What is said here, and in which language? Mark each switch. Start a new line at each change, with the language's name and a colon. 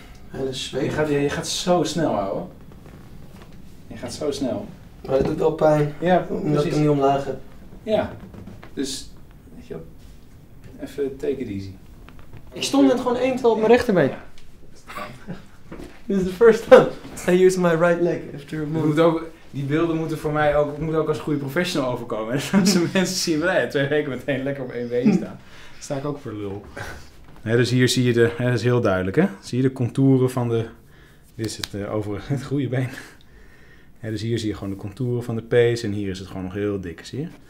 Dutch: Hele zweet. Je gaat zo snel, ouwe. Je gaat zo snel. Maar dat doet wel pijn. Ja, omdat ik hem niet omlaag heb. Ja. Dus, weet je wel. Even
English: take it easy.
Dutch: Ik stond net gewoon één tel op mijn rechterbeen.
English: This is the first time I used my right leg after a move.
Dutch: Die beelden moeten voor mij ook, moeten ook als goede professional overkomen. En zo'n mensen zien we twee weken meteen lekker op één been staan. Sta ik ook voor lul. Ja, dus hier zie je de... Ja, dat is heel duidelijk, hè? Zie je de contouren van de... Dit is het overige... Het goede been. Ja, dus hier zie je gewoon de contouren van de pees. En hier is het gewoon nog heel dik, zie je?